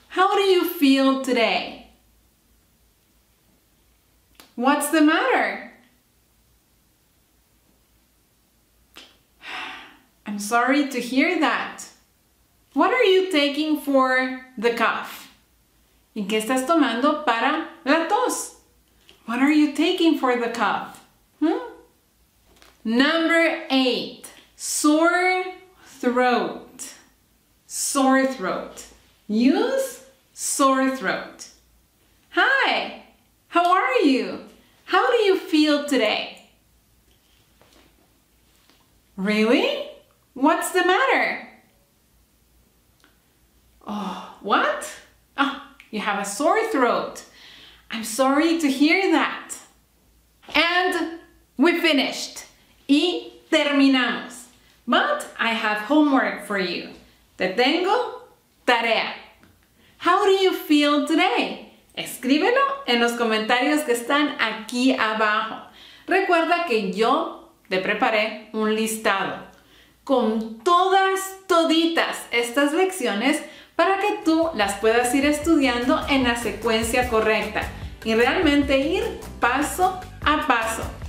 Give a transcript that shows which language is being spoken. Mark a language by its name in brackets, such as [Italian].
[English] How do you feel today? What's the matter? I'm sorry to hear that. What are you taking for the cough? [Spanish] ¿Y qué estás tomando para la tos? [English] What are you taking for the cough? Number eight, sore throat. Sore throat. Use sore throat. Hi, how are you? How do you feel today? Really? What's the matter? Oh, what? Oh, you have a sore throat. I'm sorry to hear that. And we finished. [Spanish] Y terminamos. [English] But I have homework for you. [Spanish] Te tengo tarea. [English] How do you feel today? [Spanish] Escríbelo en los comentarios que están aquí abajo. Recuerda que yo te preparé un listado con todas, toditas estas lecciones para que tú las puedas ir estudiando en la secuencia correcta y realmente ir paso a paso.